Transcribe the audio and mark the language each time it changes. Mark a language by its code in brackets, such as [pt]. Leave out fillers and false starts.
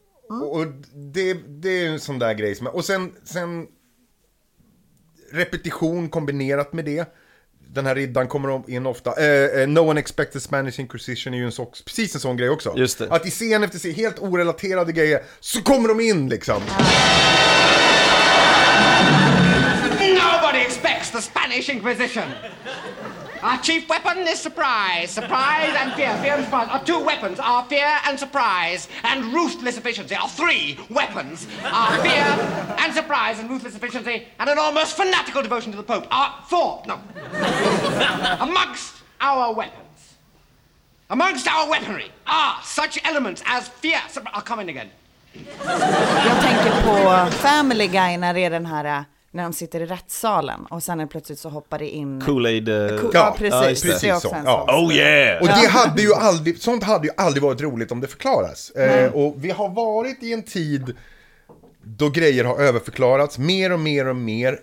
[sv] Och det är ju en sån där grej som, och sen repetition kombinerat med det. Den här riddan kommer in ofta. [en] No one expected Spanish Inquisition [sv] är ju precis en sån grej också. Just det. Att i scen efter scen, helt orelaterade grejer, så kommer de in liksom. [en] Nobody expects the Spanish Inquisition. Our chief weapon is surprise. Surprise and fear. Fear and surprise are 2 weapons. Our fear and surprise and ruthless efficiency are 3 weapons. Our fear and surprise and ruthless efficiency and an almost fanatical devotion to the Pope are 4. No. Amongst our weapons. Amongst our weaponry are such elements as fear. I'll come in again. [sv] Jag tänker på Family Guy när det är den här, när de sitter i rättssalen och sen plötsligt så hoppar det in [en] Kool-Aid. [sv] Precis. [en] Oh yeah. [sv] Och det hade ju aldrig, sånt hade ju aldrig varit roligt om det förklaras. Och vi har varit i en tid då grejer har överförklarats mer och mer och mer.